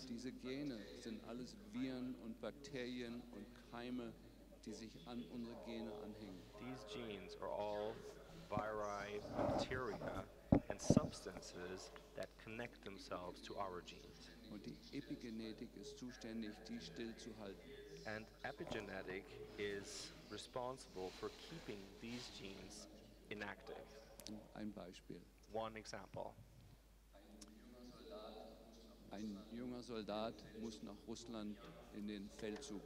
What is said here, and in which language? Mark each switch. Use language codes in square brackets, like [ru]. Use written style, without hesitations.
[de] Diese Gene sind alles Viren und Bakterien und Keime, die sich an unsere Gene anhängen. [en] These genes are all viri, bacteria and substances that connect themselves to our genes. [de] Und die Epigenetik ist zuständig, die stillzuhalten. [en] And epigenetic is responsible for keeping these genes inactive. [de] Ein Beispiel. [en] One example. [de] Ein junger Soldat muss nach Russland in den Feldzug.